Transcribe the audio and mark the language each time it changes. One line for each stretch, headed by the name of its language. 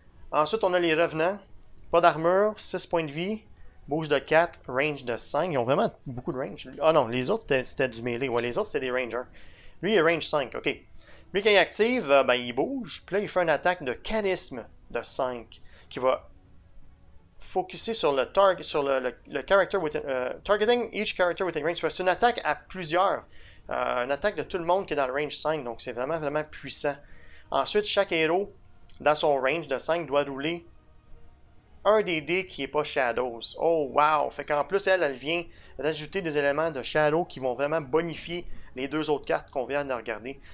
French: Ensuite, on a les Revenants. Pas d'armure, 6 points de vie, bouge de 4, range de 5. Ils ont vraiment beaucoup de range. Ah non, les autres, c'était du melee. Ouais, les autres, c'était des Rangers. Lui, il est range 5, OK. Lui, quand il active, ben, il bouge. Puis là, il fait une attaque de charisme de 5 qui va... Focuser sur le
English: character within, targeting each character within range.
French: C'est une attaque à plusieurs. Une attaque de tout le monde qui est dans le range 5. Donc c'est vraiment, vraiment puissant. Ensuite, chaque héros dans son range de 5 doit rouler un des dés qui n'est pas Shadows. Oh wow! Fait qu'en plus, elle vient rajouter des éléments de Shadow qui vont vraiment bonifier les deux autres cartes qu'on vient de regarder.